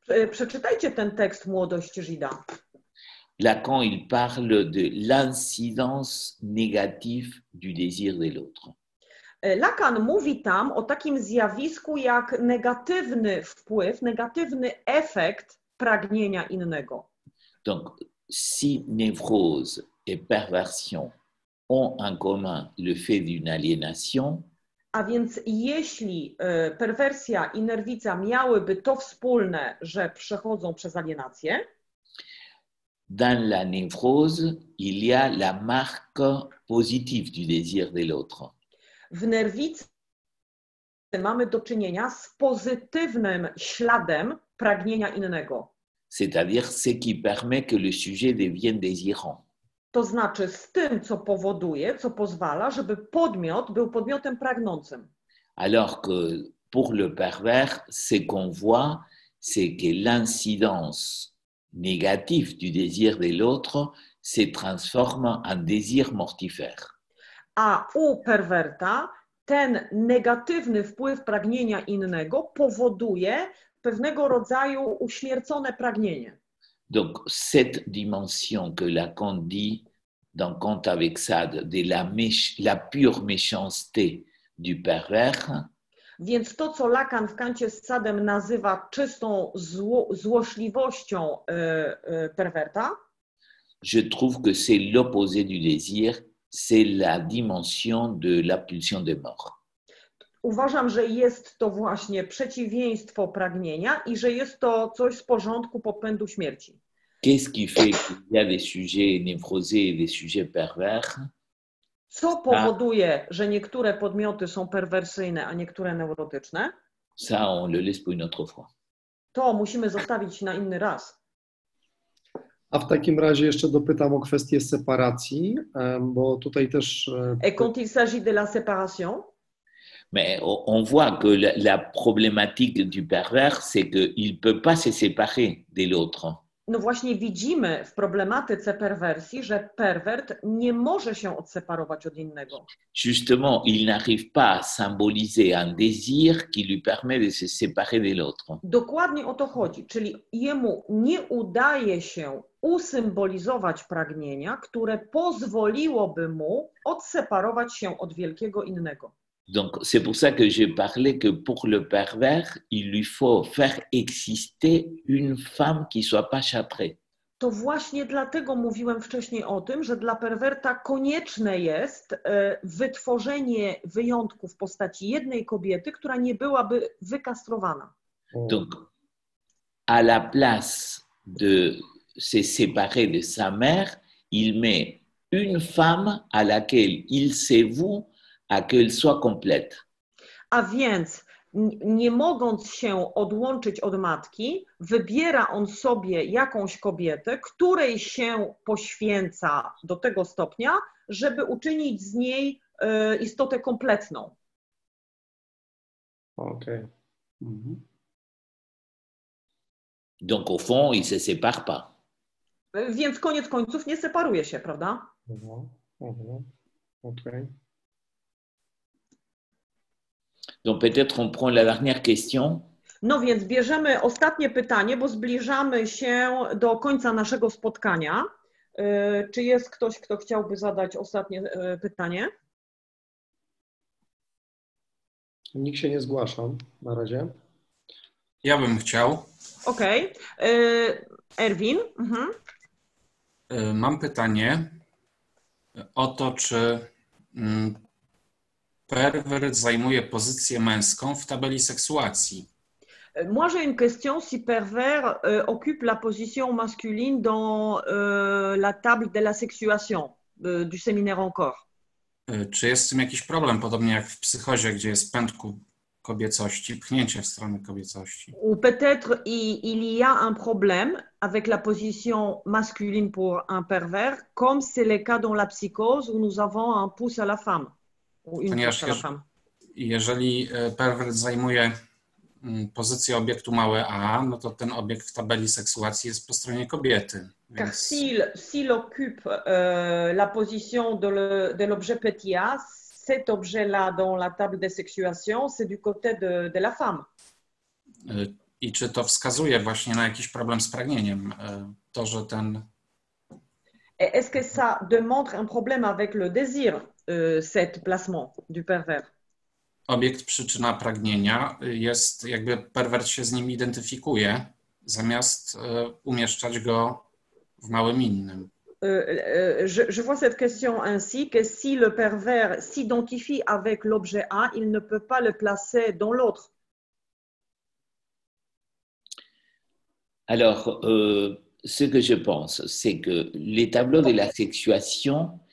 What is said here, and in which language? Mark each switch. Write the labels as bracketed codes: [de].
[pl] Przeczytajcie ten tekst Młodość Gida. [fr] Lacan il parle de l'incidence négative du désir de l'autre. [pl] Lacan mówi tam o takim zjawisku jak negatywny wpływ, negatywny efekt pragnienia innego. [fr] Donc, si névrose et perversion ont en commun le fait d'une aliénation, [pl] a więc jeśli perwersja i nerwica miałyby to wspólne, że przechodzą przez alienację, [fr] dans la névrose, il y a la marque positive du désir de l'autre. [pl] W nerwicy mamy do czynienia z pozytywnym śladem pragnienia innego. [fr] C'est-à-dire ce qui permet que le sujet devienne désirant. [pl] To znaczy z tym, co powoduje, co pozwala, żeby podmiot był podmiotem pragnącym. [fr] Alors que pour le pervers, ce qu'on voit, c'est que l'incidence négative du désir de l'autre se transforme en désir mortifère. [pl] A u perwerta ten negatywny wpływ pragnienia innego powoduje pewnego rodzaju uśmiercone pragnienie. [fr] Donc cette dimension que Lacan dit dans Conte avec Sade de la pure méchanceté du pervers. [pl] Więc to, co Lacan w Kancie z Sadem nazywa czystą złośliwością perwerta. [fr] Je trouve que c'est l'opposé du désir, c'est la dimension de la pulsion de mort. [pl] Uważam, że jest to właśnie przeciwieństwo pragnienia i że jest to coś z porządku popędu śmierci. [fr] Qu'est-ce qui fait qu'il y a des sujets névrosés et des sujets pervers? [pl] Co powoduje, że niektóre podmioty są perwersyjne, a niektóre neurotyczne? [fr] Ça, on le laisse pour une autre fois. [pl] To musimy zostawić na inny raz. A w takim razie jeszcze dopytam o kwestię separacji, bo tutaj też... [fr] Et quand il s'agit de la séparation? Mais on voit que la problématique du pervers, c'est qu'il ne peut pas se séparer de l'autre. [pl] No właśnie widzimy w problématice perwersji, że pervert nie może się odseparować od innego. [fr] Justement, il n'arrive pas à symboliser un désir qui lui permet de se séparer de l'autre. [pl] Dokładnie o to chodzi, czyli jemu nie udaje się usymbolizować pragnienia, które pozwoliłoby mu odseparować się od wielkiego innego. [fr] Donc c'est pour ça que j'ai parlé que pour le pervers, il lui faut faire exister une femme qui soit pas châtrée. [pl] To właśnie dlatego mówiłem wcześniej o tym, że dla perwerta konieczne jest wytworzenie wyjątku w postaci jednej kobiety, która nie byłaby wykastrowana. [fr] Donc à la place de se séparer de sa mère, il met une femme à laquelle il s'est voué à qu'elle soit complète. [pl] A więc, nie mogąc się odłączyć od matki, wybiera on sobie jakąś kobietę, której się poświęca do tego stopnia, żeby uczynić z niej istotę kompletną. Okej. Mm-hmm. [fr] Donc au fond, il se sépare pas. [pl] Więc koniec końców nie separuje się, prawda? Okej. [fr] Donc peut-être on prend la dernière question. [pl] No więc bierzemy ostatnie pytanie, bo zbliżamy się do końca naszego spotkania. Czy jest ktoś, kto chciałby zadać ostatnie pytanie? Nikt się nie zgłasza na razie. Ja bym chciał. Okej. Erwin. Mhm. Mam pytanie o to, czy pervers zajmuje pozycję męską w tabeli seksuacji. [fr] Moi j'ai une question si pervers occupe la position masculine dans la table de la sexuation du séminaire encore. [pl] Czy jest z tym jakiś problem, podobnie jak w psychozie, gdzie jest pędku kobiecości, pchnięcie w stronę kobiecości? [fr] Ou peut-être il y a un problème avec la position masculine pour un pervers, comme c'est le cas dans la psychose où nous avons un pouce à la femme. [pl] Ponieważ jeżeli pervert zajmuje pozycję obiektu małe A, no to ten obiekt w tabeli seksuacji jest po stronie kobiety. [fr] Car s'il occupe la position de l'objet petit A, cet objet-là dans la table de sexuation, c'est du côté de la femme. [pl] I czy to wskazuje właśnie na jakiś problem z pragnieniem? To, że ten... [fr] Est-ce que ça démontre un problème avec le désir? Set placement du pervers. [pl] Obiekt przyczyna pragnienia jest, jakby pervert się z nim identyfikuje, zamiast umieszczać go w małym innym. [fr] Je vois cette question ainsi, que si le pervers s'identifie avec l'objet A, il ne peut pas le placer dans l'autre. Alors, ce que je pense, c'est que les tableaux de la sexuation.